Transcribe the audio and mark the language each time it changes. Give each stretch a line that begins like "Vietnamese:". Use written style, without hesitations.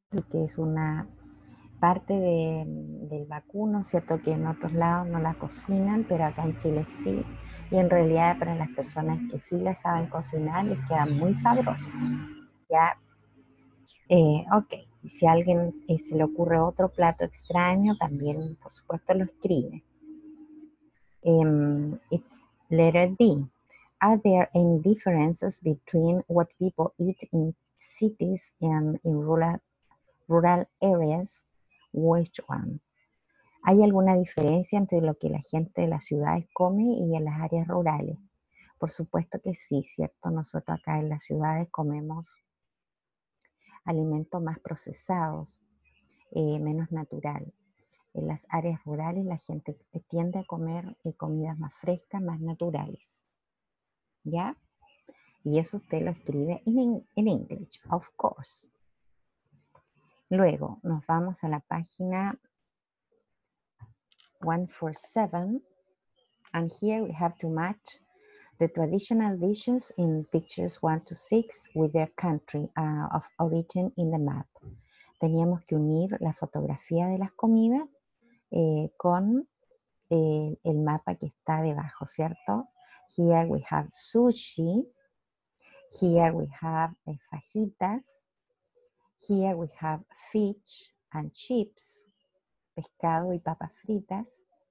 Spanish: Que es una parte del vacuno, cierto que en otros lados no la cocinan, pero acá en Chile sí, y en realidad para las personas que sí la saben cocinar les queda muy sabroso. Ya, ok, si a alguien se le ocurre otro plato extraño, también por supuesto lo escribe.
English: It's letter B. Are there any differences between what people eat in cities and in rural areas? Which one?
Spanish: ¿Hay alguna diferencia entre lo que la gente de las ciudades come y en las áreas rurales? Por supuesto que sí, ¿cierto? Nosotros acá en las ciudades comemos alimentos más procesados, menos natural. En las áreas rurales la gente tiende a comer comidas más frescas, más naturales. ¿Ya? Y eso usted lo escribe en English,
English: of course.
Spanish: Luego nos vamos a la página 147.
English: And here we have to match the traditional dishes in pictures 1 to 6 with their country of origin in the map.
Spanish: Teníamos que unir la fotografía de las comidas con el mapa que está debajo, ¿cierto?
English: Here we have sushi. Here we have fajitas. Here we have fish and chips,
Spanish: pescado y papas fritas.